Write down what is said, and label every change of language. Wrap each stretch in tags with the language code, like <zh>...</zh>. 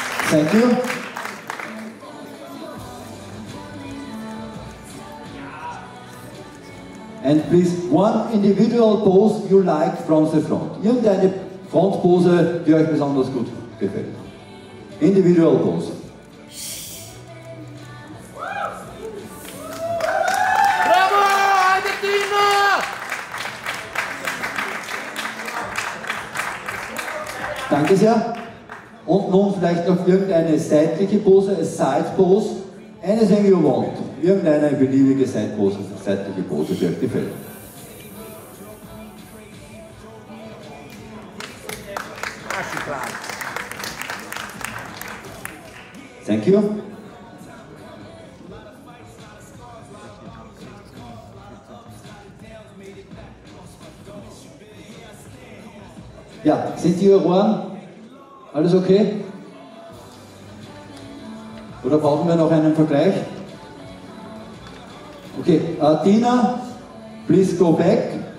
<en>Thank you. And please, one individual pose you like from the front.</en> <de>Irgendeine Frontpose, die euch besonders gut gefällt.</de> <en>Individual pose. Bravo, Argentina!</en> <de>Danke sehr. Und nun vielleicht noch irgendeine seitliche Pose,</de> <en>a side pose. Anything you want.</en> <de>Irgendeine beliebige Seitpose, seitliche Pose, die euch gefällt.</de> <en>Thank you.</en> <de>Ja, sind die Ohren alles okay? Oder brauchen wir noch einen Vergleich?</de> <en>Okay, Dina, please go back.</en>